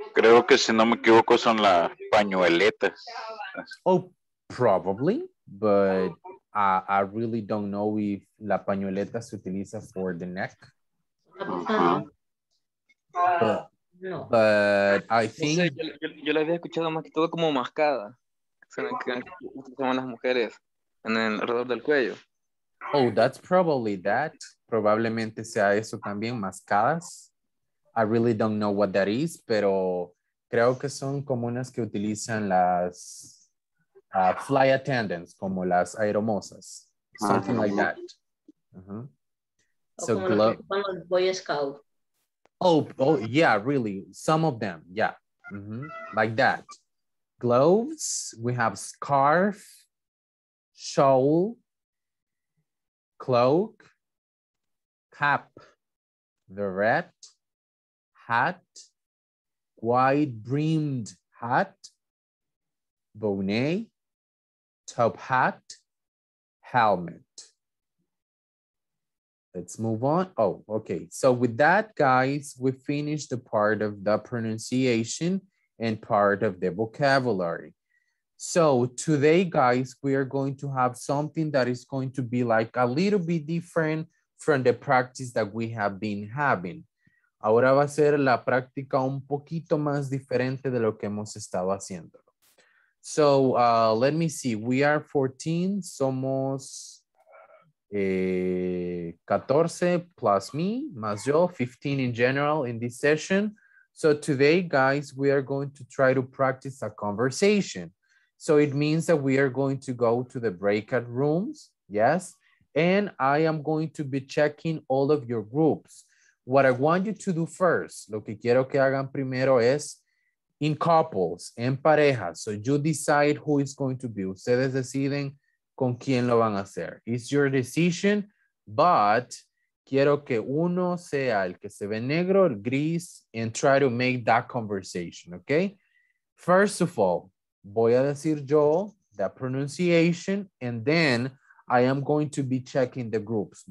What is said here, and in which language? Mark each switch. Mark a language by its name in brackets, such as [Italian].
[Spanish] Creo que, si no me equivoco, son las pañueletas. [English] Oh, probably, but I really don't know if [Spanish] la pañueleta se utiliza [English] for the neck. Uh-huh. But I think... [Spanish] Yo la había escuchado más que todo como mascada. Son las mujeres en el alrededor del cuello. [English] Oh, that's probably that. [Spanish] Probablemente sea eso también, mascadas. [English] I really don't know what that is, [Spanish] pero... Creo que son como unas que utilizan las [English] fly attendants, [Spanish] como las aeromosas. [English] Something uh-huh. like that. Uh-huh. So glove. Boy Scout. Oh, oh, yeah, really. Some of them, yeah. Uh-huh. Like that. Gloves, we have scarf, shawl, cloak, cap, beret, hat, wide-brimmed hat, bonnet, top hat, helmet. Let's move on. Oh, okay. So with that, guys, we finished the part of the pronunciation and part of the vocabulary. So today, guys, we are going to have something that is going to be like a little bit different from the practice that we have been having. [Spanish] Ahora va a ser la práctica un poquito más diferente de lo que hemos estado haciendo. [English] So, let me see. We are 14. [Spanish] Somos 14 [English] plus me, [Spanish] más yo, [English] 15 in general in this session. So today, guys, we are going to try to practice a conversation. So it means that we are going to go to the breakout rooms. Yes. And I am going to be checking all of your groups. What I want you to do first, [Spanish] lo que quiero que hagan primero es [English] in couples, [Spanish] en parejas. [English] So you decide who is going to be. [Spanish] Ustedes deciden con quién lo van a hacer. [English] It's your decision, but [Spanish] quiero que uno sea el que se ve negro, el gris, [English] and try to make that conversation, okay? First of all, [Spanish] voy a decir yo [English] the pronunciation, and then I am going to be checking the groups.